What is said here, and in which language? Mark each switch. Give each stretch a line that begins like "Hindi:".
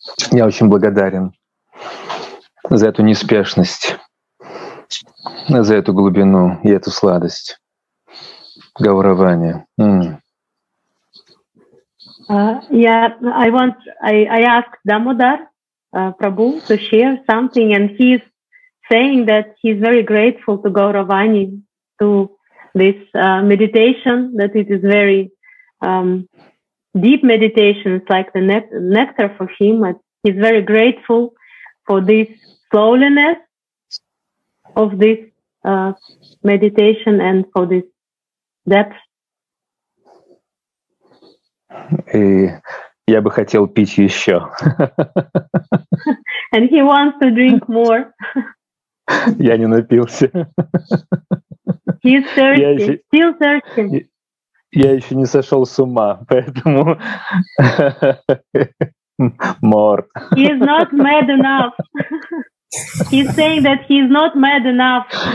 Russian: Я очень благодарен за эту неспешность, за эту глубину и эту сладость Гауравани.
English: I asked Damodar Prabhu to share something, and he's saying that he's very grateful to Gauravani to this meditation, that it is very deep meditation. It's like the nectar for him. He's very grateful for this slowness of this meditation and for this depth.
Russian: И я бы хотел пить еще.
English: And he wants to drink more.
Russian: Я не напился.
English: He's thirsty. Still thirsty.
Russian: Я еще не сошел с ума, поэтому
English: more. He is not mad enough. He's saying that he is not mad enough.